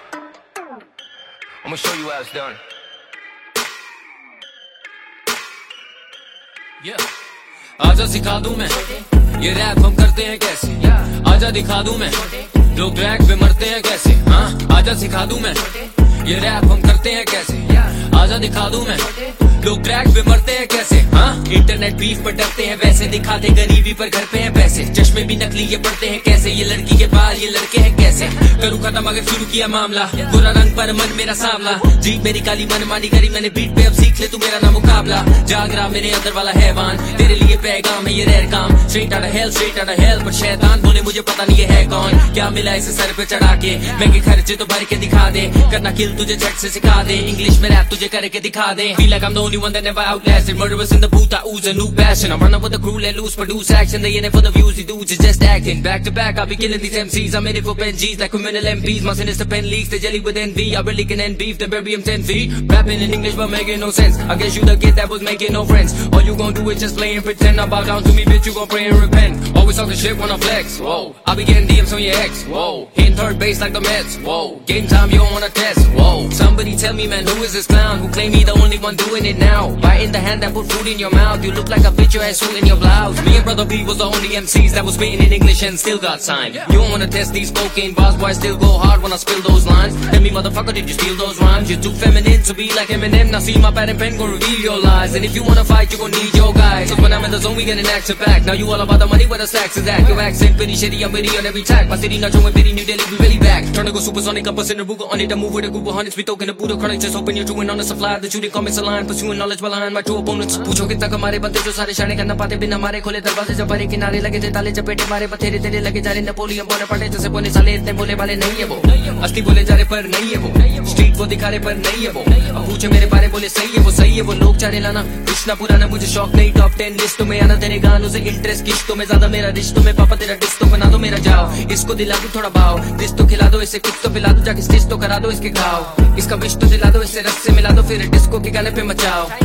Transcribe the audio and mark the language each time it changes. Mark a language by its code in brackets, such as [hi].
[en] I'm gonna show you how it's done. Yeah. [hi] आजा सिखा दूं मैं ये रैप हम करते हैं कैसे आजा दिखा दूं मैं लोग ट्रैक पे मरते हैं कैसे हाँ आजा सिखा दूं मैं ये रैप हम करते हैं कैसे आजा दिखा दूं मैं लोग ट्रैक पे मरते हैं कैसे हाँ इंटरनेट बीफ पर डरते हैं वैसे दिखाते गरीबी पर घर पे हैं पैसे चश्मे भी नकली ये पढ़ते हैं कैसे ये लड़की के बाल ये लड़के हैं कैसे करूँ खत्म अगर शुरू किया मामला बुरा रंग पर मन मेरा सांवला जीत मेरी काली मनमानी करी मैंने बीट पे अब सीख ले तू मेरा ना मुकाबला जागरा मेरे अंदर वाला हैवान तेरे लिए पैगाम है ये रेर काम [en] straight out of hell [hi] पर शैतान बोले मुझे पता नहीं है कौन क्या मिला इसे सर पे चढ़ा के महंगे खर्चे तो भर के दिखा दे करना किल तुझे झट से सिखा दे इंग्लिश में रैप तुझे करके दिखा दे [en] New one that never outlasted. Murderous in the booth, I ooze a new passion. I'm running with the crew, let loose, produce action. They in it for the views, these dudes is just acting. Back to back, I'll be killing these MCs. I made it for Benjis, like criminal MPs. My sinister pen leaks, they jelly with envy. I really can end beef, then bury him 10 feet. Rapping in English, but making no sense. I guess you the kid that was making no friends. All you gon' do is just play and pretend. I bow down to me, bitch, you gon' pray and repent. Always talk the shit when I flex, whoa. I be getting DMs on your ex, whoa. Hitting third base like the Mets, whoa. Game time, you don't wanna test, whoa. Somebody tell me, man, who is this clown? Who claim he the only one doing it now? Biting the hand that put food in your mouth. You look like a bitch, your ass suit in your blouse. Me and Brother B was the only MCs that was spitting in English and still got signed. You don't wanna test these cocaine bars, boy, I still go hard when I spill those lines. Tell me, motherfucker, did you steal those rhymes? You're too feminine to be like Eminem. Now see my pad and pen, gon' reveal your lies. And if you wanna fight, you gon' need your guys. So when I'm in the zone, we get an action pack. Now you all about the money, where the stacks is at? Your accent pretty shitty, I'm pretty on every track. My city not showing pity, New Delhi, we really back. Tryna go supersonic, up a center, booger on it. I move with a group of hundreds, we talking a Buddha chronic. Just hoping you're doing on the supply, the shooting comments align, pursuing knowledge while I'm my two opponents. [hi] पूछो कितना कमारे बंदे जो सारे शाने करना पाते बिना मारे खोले दरवाजे जब भरे किनारे लगे थे ताले चपेटे मारे बथेरे तेरे लगे जा रहे नेपोलियन बोनापार्ट जैसे बोले साले इतने बोले वाले नहीं है वो अस्थि बोले जा रहे पर नहीं है वो स्ट्रीट वो दिखा रहे पर नहीं है वो अब पूछे मेरे बारे बोले सही है वो लोग चाह रहे लाना कृष्णा पुराना मुझे शौक नहीं टॉप 10 लिस्टों में आना तेरे गानों से इंटरेस्ट किश्तों में ज्यादा मेरा रिश्तों में पापा तेरा डिस्को बना दो मेरा जाओ इसको दिला दो थोड़ा भाव रिश्तों खिला दो इसे कुछ तो पिला दो जाके रिश्तों करा दो इसके खाओ इसका विश तो दिला दो इसे रस से मिला दो फिर डिस्को के गाने पे मचाओ